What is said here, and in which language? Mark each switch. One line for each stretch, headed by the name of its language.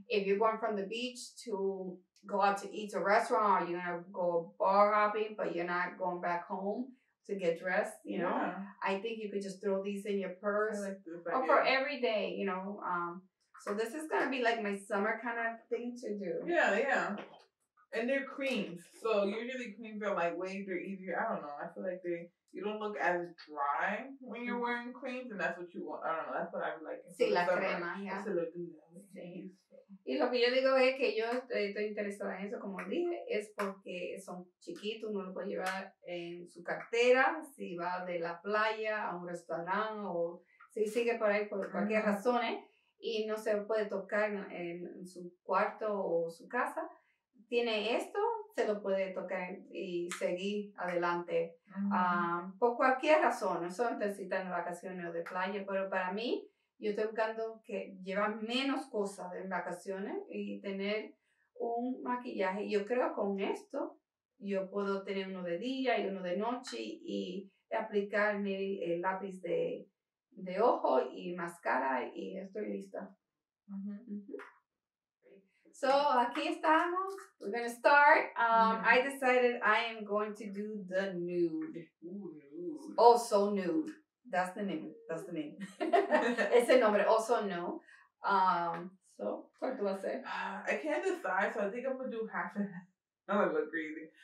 English: If you're going from the beach to go out to eat to a restaurant, or you're going to go bar hopping, but you're not going back home to get dressed, you know, I think you could just throw these in your purse for every day, you know. So this is going to be like my summer kind of thing to do. Yeah. And they're creams. So usually creams are lightweight, they're easier. I don't know. I feel like you don't look as dry when you're wearing creams, and that's what you want. I don't know. That's what I would like.
Spanish: Sí, la crema, yeah. Se lo digo. Sí. Y lo que yo digo es que yo estoy interesada en eso, como dije, es porque son chiquitos, uno lo puede llevar en su cartera, si va de la playa a un restaurante o si sigue por ahí por cualquier razón, y no se puede tocar en su cuarto o su casa. Tiene esto, se lo puede tocar y seguir adelante por cualquier razón, no solamente si está en vacaciones o de playa, pero para mí, yo estoy buscando que llevar menos cosas en vacaciones y tener un maquillaje. Yo creo con esto, yo puedo tener uno de día y uno de noche y aplicar mi lápiz de ojo y máscara y estoy lista. So aquí estamos.
English: We're gonna start. I decided I am going to do the nude. Ooh, nude. Oh, so nude. That's the name. That's the name.
Spanish: Ese nombre.
English: Also no. So what do I say? I can't decide. So I think I'm gonna do half. Now I look crazy.